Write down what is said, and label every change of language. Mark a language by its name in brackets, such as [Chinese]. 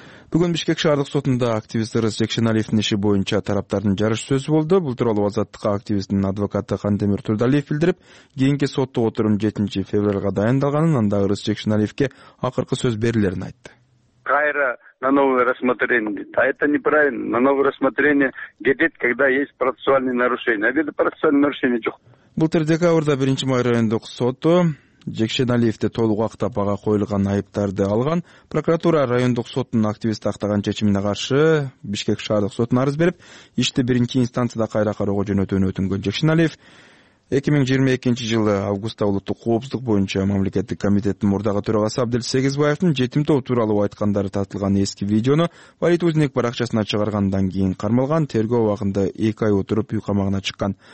[Kyrgyz] Бүгүн Бишкек шаардык сотунда активист Ырыс Жекшеналиевдин иши боюнча тараптардын жарыш сөзү болду. Бул тууралуу Азаттыкка активисттин адвокаты Кандемир Турдалиев билдирип, кийинки соттук отурум 7-февралга дайындалганын, анда Ырыс Жекшеналиевке акыркы сөз берилерин айтты. Кайра [Russian] на новое рассмотрение. А это неправильно. На новое рассмотрение [Kyrgyz] кетет, [Russian] когда есть процессуальные нарушения. А где процессуальные нарушения [Kyrgyz] жок? Былтыр декабрда 1-май райондук соту Жекшеналиевди толук актап ага коюлган айыптарды алган. Прокуратура райондук соттун активисти актаган чечимине каршы Бишкек шаардык сотуна арыз берип, ишти биринки инстанцияда кайра кароого жөнөтүүнү өтүнгөн. Жекшеналиев 2022-жылы августта улуттук коопсуздук боюнча мамлекеттик комитеттин мурдагы төрагасы Абдел Сегизбаевдин жетим топ тууралуу айткандары тартылган эски видеону Политузник баракчасына чыгаргандан кийин кармалган, тергөө убагында 2 ай отуруп үй камагына чыккан.